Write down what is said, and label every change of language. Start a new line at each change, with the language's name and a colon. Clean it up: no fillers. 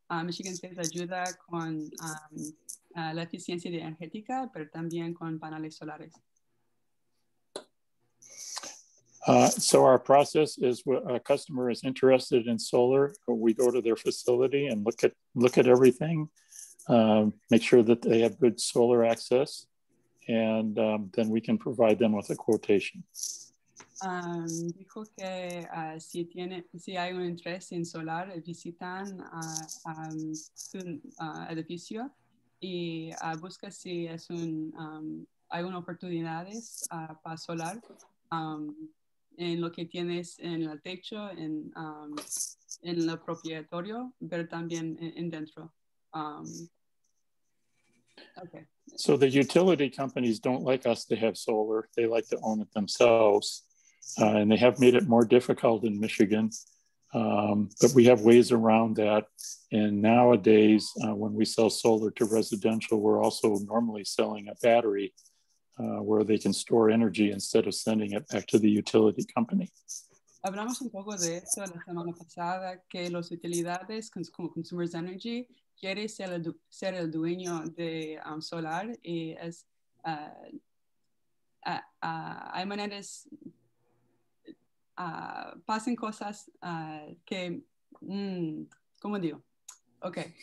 Spanish: Michigan Saves ayuda con la eficiencia energética, pero también con paneles solares.
English: So our process is a customer is interested in solar. We go to their facility and look at everything, make sure that they have good solar access. And then we can provide them with a quotation.
Spanish: Dijo que si hay un interés en solar, visitan un edificio y busca si es un hay una oportunidades para solar en lo que tienes en el techo, en el propietario, pero también en dentro. Okay.
English: So the utility companies don't like us to have solar. They like to own it themselves. And they have made it more difficult in Michigan But we have ways around that. And nowadays, when we sell solar to residential, we're also normally selling a battery where they can store energy instead of sending it back to the utility company.
Spanish: Hablamos un poco de eso la semana pasada, que los utilidades como Consumers Energy quiere ser el dueño de solar y es, hay maneras, pasan cosas que, ¿cómo digo? Ok.